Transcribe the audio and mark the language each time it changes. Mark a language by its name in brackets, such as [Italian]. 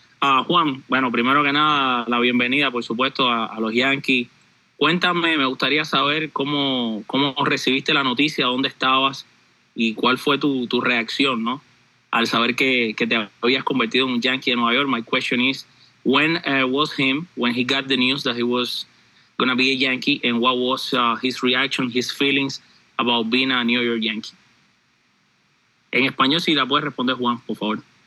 [Spanish] Juan, bueno, primero que nada, la bienvenida, por supuesto, a los Yankees. Cuéntame, me gustaría saber cómo recibiste la noticia, dónde estabas y cuál fue tu reacción, ¿no? [English] Al saber que te habías convertido en un Yankee de Nueva York, my question is, when he got the news that he was going to be a Yankee, and what was his reaction, his feelings about being a New York Yankee? [Spanish] En español, si la puedes responder, Juan, por favor.